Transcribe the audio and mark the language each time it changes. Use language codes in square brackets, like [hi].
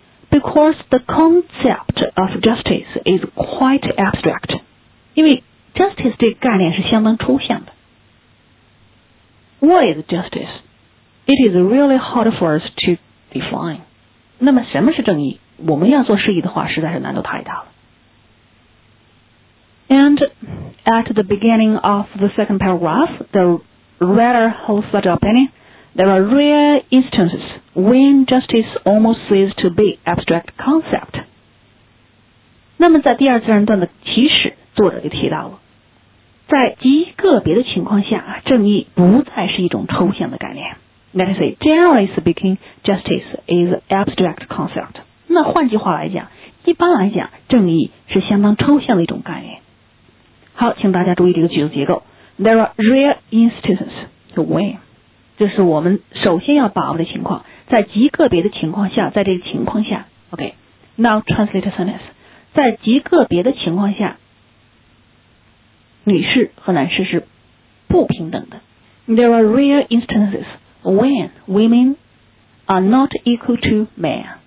[en] Because the concept of justice is quite abstract. [zh] 因为Justice 这个概念是相当抽象的。 [en] What is justice? It is really hard for us to define. [zh] 那么什么是正义？我们要做释义的话，实在是难度太大了。 [en] And at the beginning of the second paragraph, the writer holds such opinion. There are rare instances when justice almost ceases to be abstract concept. [zh] 那么在第二自然段的起始，作者就提到了。在极个别的情况下，正义不再是一种抽象的概念。 [en] Let's say, generally speaking, justice is an abstract concept. [zh] 那换句话来讲，一般来讲，正义是相当抽象的一种概念。好，请大家注意这个句子结构。 [en] There are rare instances to win. [zh] 这是我们首先要把握的情况。在极个别的情况下，在这个情况下 ，OK. [en] Now translate a sentence. [zh] 在极个别的情况下。女士和男士是不平等的。 [en] There are rare instances when women are not equal to men.